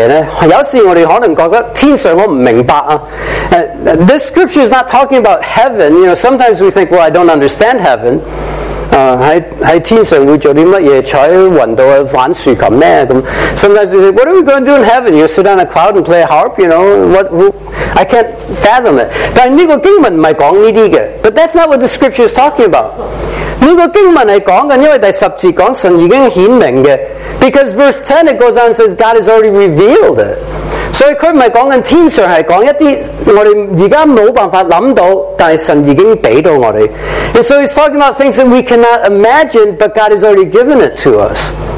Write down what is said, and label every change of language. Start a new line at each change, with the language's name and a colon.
Chinese: 不是讲天上的事呢，有时我们可能觉得天上我不明白啊。
English: This scripture is not talking about heaven. You know, sometimes we think, well, I don't understand heaven.
Chinese: 在天上会做些什么，坐在云上玩树琴咩？
English: Sometimes we think, what are we going to do in heaven? You sit on a cloud and play a harp, you know? I can't fathom it.
Chinese: 但这个经文不是讲这些的。
English: But that's not what the scripture is talking about.
Chinese: 这个经文是讲的，因为第十节讲神已经显明的。
English: Because verse 10, it goes on and says, God has already revealed it.
Chinese: 所以他不是讲天上，是讲一些我们现在没办法想到，但是神已经给到我们。
English: And so he's talking about things that we cannot imagine, but God has already given it to us.